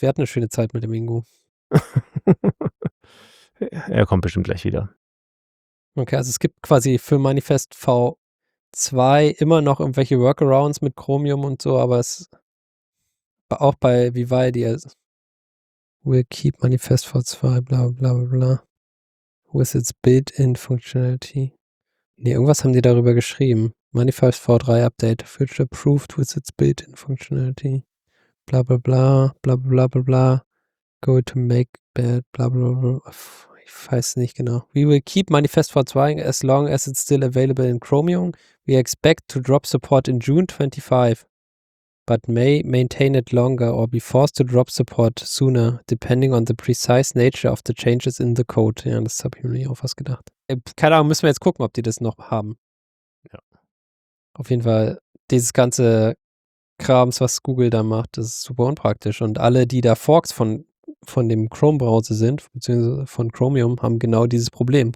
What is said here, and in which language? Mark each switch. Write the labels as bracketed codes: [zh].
[de] Wir hatten eine schöne Zeit mit dem Ingo. Er kommt bestimmt gleich wieder. Okay, also es gibt quasi für Manifest V2 immer noch irgendwelche Workarounds mit Chromium und so, aber es auch bei Vivaldi. [en] We'll keep Manifest V2, bla bla bla. With its built-in functionality. [de] Nee, irgendwas haben die darüber geschrieben. [en] Manifest V3 Update, future approved with its built-in functionality. Bla bla bla, bla bla bla bla bla. Go to make bad, bla bla bla. [de] Ich weiß nicht genau. [en] We will keep Manifest V2 as long as it's still available in Chromium. We expect to drop support in June 25. But may maintain it longer or be forced to drop support sooner, depending on the precise nature of the changes in the code. [de] Ja, das habe ich mir nicht auf was gedacht. Keine Ahnung, müssen wir jetzt gucken, ob die das noch haben. Ja. Auf jeden Fall, dieses ganze Krams, was Google da macht, das ist super unpraktisch. Und alle, die da Forks von dem Chrome-Browser sind, beziehungsweise von Chromium, haben genau dieses Problem.